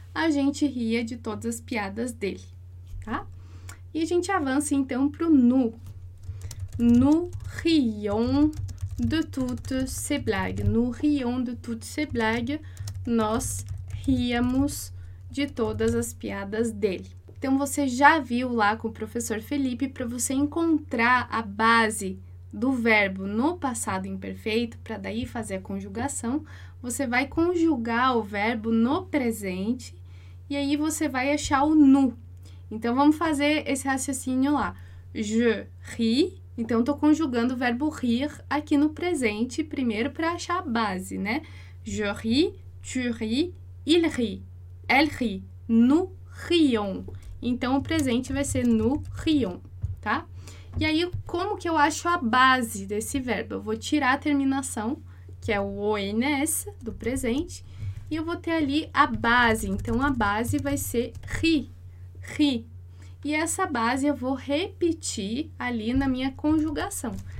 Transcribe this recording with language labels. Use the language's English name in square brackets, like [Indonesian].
[Portuguese] A gente ria de todas as piadas dele, tá? E a gente avança então para o nous. [French] Nous rions de toutes ses blagues. Nous rions de toutes ses blagues. [Portuguese] Nós ríamos de todas as piadas dele. Então, você já viu lá com o professor Felipe para você encontrar a base do verbo no passado imperfeito, para daí fazer a conjugação, você vai conjugar o verbo no presente e aí você vai achar o nu. Então vamos fazer esse raciocínio lá. [French] Je ris. [Portuguese] Então estou conjugando o verbo rir aqui no presente primeiro para achar a base, né? [French] Je ris, tu ris, il rit, elle rit, nous rions. [Portuguese] Então o presente vai ser [French] nous rions, [Portuguese] tá? E aí, como que eu acho a base desse verbo? Eu vou tirar a terminação, que é o ONS, do presente, e eu vou ter ali a base. Então, a base vai ser ri, ri. E essa base eu vou repetir ali na minha conjugação.